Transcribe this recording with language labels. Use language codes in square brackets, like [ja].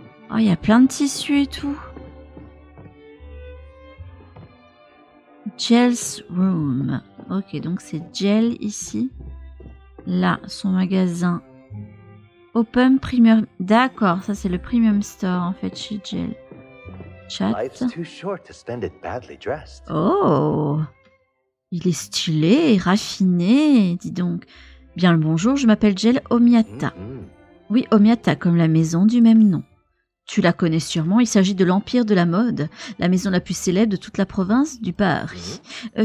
[fr] Oh, il y a plein de tissus et tout. Jell's Room. Ok, donc c'est Jell ici. Là, son magasin. Open Premium. D'accord, ça c'est le Premium Store en fait chez Jill. Chat. [en] Life's too short to spend it badly dressed. [fr] Oh, il est stylé, raffiné, dis donc. Bien le bonjour, je m'appelle Jill Omiata. Mm-hmm. Oui, Omiata, comme la maison du même nom. Tu la connais sûrement, il s'agit de l'Empire de la Mode, la maison la plus célèbre de toute la province du Paris. Mmh.